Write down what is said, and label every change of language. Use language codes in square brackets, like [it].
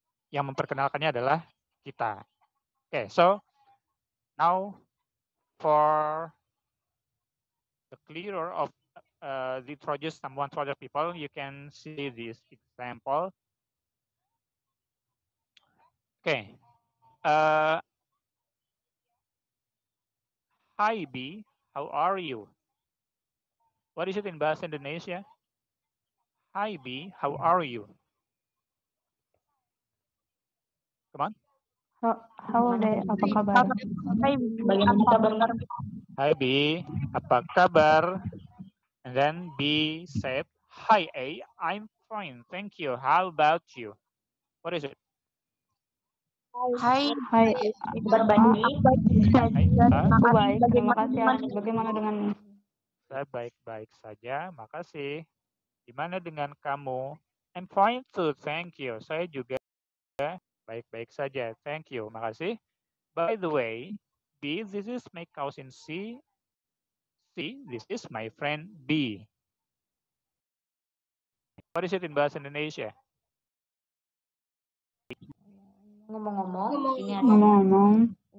[id] Yang memperkenalkannya adalah kita. [en] Okay, so now for the clearer of introduce someone to other people, you can see this example. Okay. Hi B, how are you? What is it in Bahasa Indonesia? Hi B, how are you? Come on. [id] Hello, apa kabar? Hi B, apa kabar? [en] And then B said, "Hi A, I'm fine, thank you. How about you? What is it?" Hi, [id] berbanding. Baik, terima kasih. Bagaimana dengan? Baik-baik saja, makasih. Gimana dengan kamu? [en] I'm fine too, thank you. [id] Saya juga baik-baik saja, [en] thank you. [id] Makasih. [en] By the way, B, this is my cousin C. C, this is my friend B. What is it in Bahasa Indonesia? [id] Ngomong-ngomong.